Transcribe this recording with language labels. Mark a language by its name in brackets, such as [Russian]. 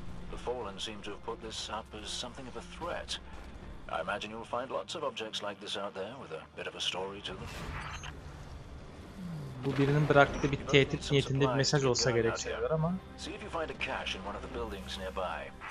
[English] The Fallen seem to have put this up as something of a threat. I imagine you'll find lots of objects like this out there with a bit of a story to them. [Turkish] Bu birinin bıraktığı bir tehdit niyetinde bir mesaj olsa gerek sayılır ama. [English] See if you find a cache in one of the buildings nearby.